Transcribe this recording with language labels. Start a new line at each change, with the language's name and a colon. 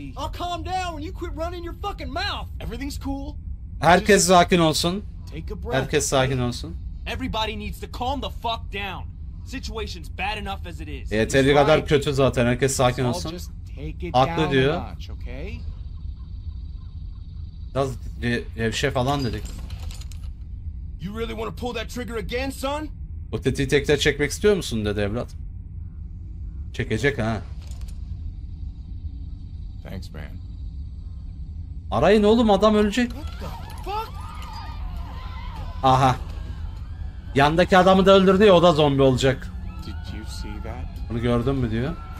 English: I'll calm down when you quit running your fucking mouth. Everything's cool.
Turkish: Herkes sakin olsun. Herkes sakin olsun.
English: Everybody needs to calm the fuck down. Situation's bad enough as it is.
Turkish: Yeterli kadar kötü zaten. Herkes sakin olsun. Haklı diyor. Biraz gevşe falan dedik.
English: You really want to pull that trigger again, son?
Turkish: O tetiği tekrar çekmek istiyor musun dedi evlat. Çekecek ha.
English: Thanks, man.
Turkish: Arayın oğlum, adam ölecek. Aha. Yandaki adamı da öldürdü ya, o da zombi olacak. Bunu gördün mü diyor?